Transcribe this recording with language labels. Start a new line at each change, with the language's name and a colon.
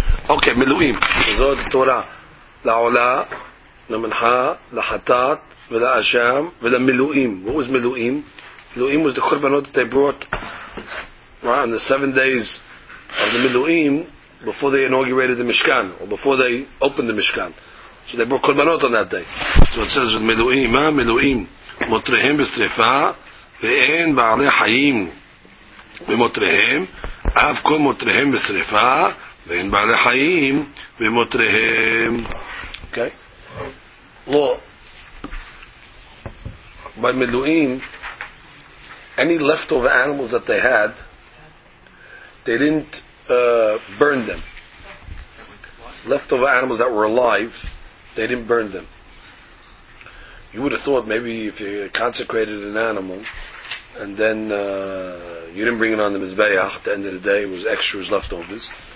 English: Okay, Miluim.
Hebrew: Zod Torah. La'ola, la'mincha, la'hatat, v'la'asham, v'la'miluim.
English: What was Miluim? Miluim was the korbanot that they brought on the 7 days of the Miluim before they inaugurated the Mishkan, or before they opened the Mishkan. So they brought korbanot on that day. So it says with Miluim,
Hebrew: Motrehem b'strefa, ואין בעלי חיים במותריהם, אף כל מותריהם בשריפה, ואין בעלי חיים במותריהם. אוקיי? לא.
English: במילואים, any leftover animals that they had, they didn't burn them. Leftover animals that were alive, they didn't burn them. You would have thought maybe if you consecrated an animal and then you didn't bring it on the Mizbeach, at the end of the day it was extras, leftovers.